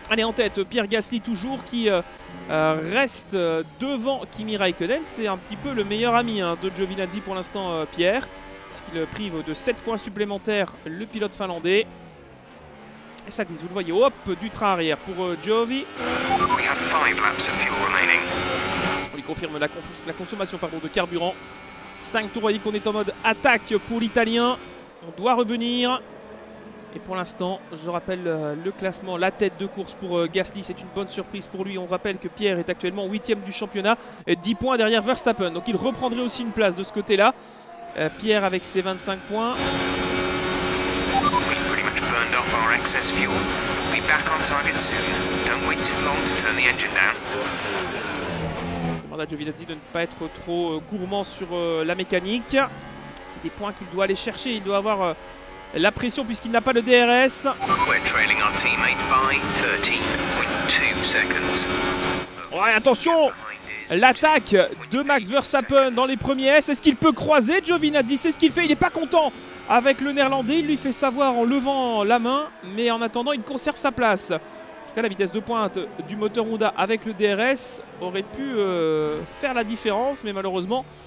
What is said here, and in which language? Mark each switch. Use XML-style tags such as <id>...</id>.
<fr>Allez, en tête, Pierre Gasly toujours qui reste devant Kimi Raikkonen. C'est un petit peu le meilleur ami hein, de Giovinazzi pour l'instant, Pierre, puisqu'il prive de 7 points supplémentaires le pilote finlandais. Et ça glisse, vous le voyez, hop, du train arrière pour Giovi.</fr> <en>We have 5 laps of fuel remaining.</en> <fr>On lui confirme la consommation pardon, de carburant. 5 tours, vous voyez qu'on est en mode attaque pour l'italien. On doit revenir. Et pour l'instant, je rappelle le classement, la tête de course pour Gasly, c'est une bonne surprise pour lui. On rappelle que Pierre est actuellement 8e du championnat, 10 points derrière Verstappen. Donc il reprendrait aussi une place de ce côté-là. Pierre avec ses 25 points.</fr> <en>We've pretty much burned off our excess fuel. We'll be back on target soon. Don't wait too long to turn the engine down.</en> <fr>Je demande à Giovinazzi de ne pas être trop gourmand sur la mécanique. C'est des points qu'il doit aller chercher, il doit avoir... la pression puisqu'il n'a pas le DRS.</fr> <en>We're trailing our teammate by 13.2 seconds.</en> <fr>Ouais, attention, l'attaque de Max Verstappen dans les premiers S. Est-ce qu'il peut croiser Giovinazzi? C'est ce qu'il fait, il n'est pas content avec le Néerlandais. Il lui fait savoir en levant la main, mais en attendant, il conserve sa place. En tout cas, la vitesse de pointe du moteur Honda avec le DRS aurait pu faire la différence, mais malheureusement...</fr>